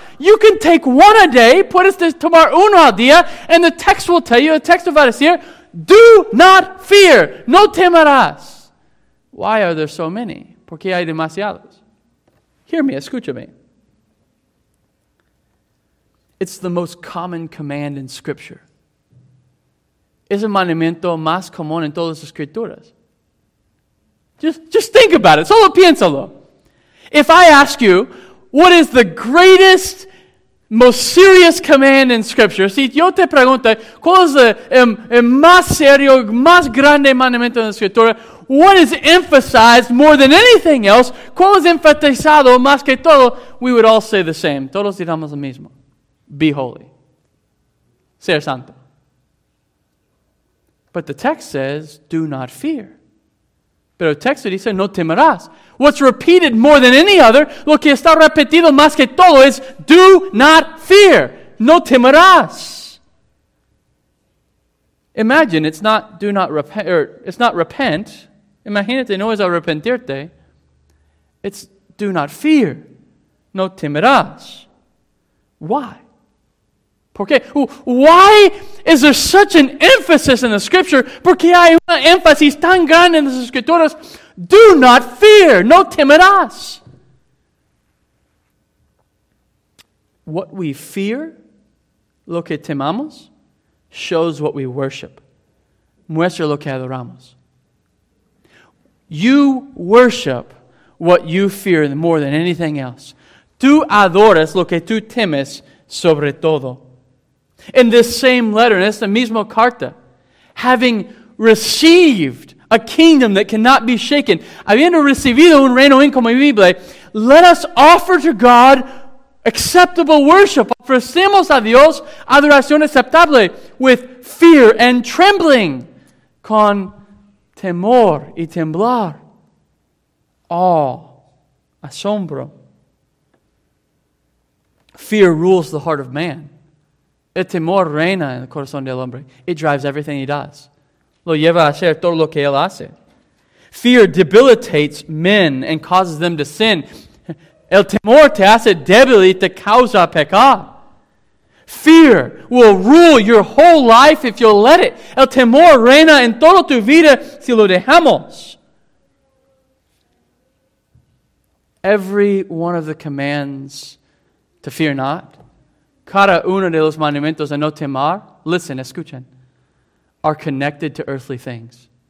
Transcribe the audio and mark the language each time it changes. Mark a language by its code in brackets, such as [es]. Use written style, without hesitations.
[en] You can take one a day, [es] puedes tomar uno al día, [en] and the text will tell you, the text will say, do not fear, [es] no temerás. [en] Why are there so many? [es] ¿Por qué hay demasiados? [en] Hear me, [es] escúchame. [en] It's the most common command in Scripture. [es] Es el mandamiento más común en todas las Escrituras. [en] Just think about it. [es] Solo piénsalo. [en] If I ask you, what is the greatest, most serious command in Scripture? [es] Si yo te pregunto, ¿cuál es el más serio, más grande mandamiento en la Escritura? [en] What is emphasized more than anything else? [es] ¿Cuál es enfatizado más que todo? [en] We would all say the same. [es] Todos diríamos lo mismo. [en] Be holy. [es] Ser santo. [en] But the text says, do not fear. [es] Pero el texto dice, no temerás. [en] What's repeated more than any other, [es] lo que está repetido más que todo es, [en] do not fear. [es] No temerás. [en] Imagine, it's not do not repent, or it's not repent. [es] Imagínate, no es arrepentirte. [en] It's do not fear. [es] No temerás. [en] Why? Okay. Why is there such an emphasis in the Scripture? [es] Porque hay una énfasis tan grande en las Escrituras. [en] Do not fear. [es] No temerás. [en] What we fear, [es] lo que temamos, [en] shows what we worship. [es] Muestra lo que adoramos. [en] You worship what you fear more than anything else. [es] Tú adoras lo que tú temes sobre todo. [en] In this same letter, in [es] esta misma carta, [en] having received a kingdom that cannot be shaken, [es] habiendo recibido un reino incomovible, [en] let us offer to God acceptable worship. [es] Ofrecemos a Dios adoración aceptable [en] with fear and trembling, [es] con temor y temblar, [en] awe, [es] asombro. [en] Fear rules the heart of man. [es] El temor reina en el corazón del hombre. [en] It drives everything he does. [es] Lo lleva a hacer todo lo que él hace. [en] Fear debilitates men and causes them to sin. [es] El temor te hace débil y te causa pecar. [en] Fear will rule your whole life if you'll let it. [es] El temor reina en toda tu vida si lo dejamos. [en] Every one of the commands to fear not, [es] cada uno de los mandamientos a no temar, [en] listen, [es] escuchen, [en] are connected to earthly things.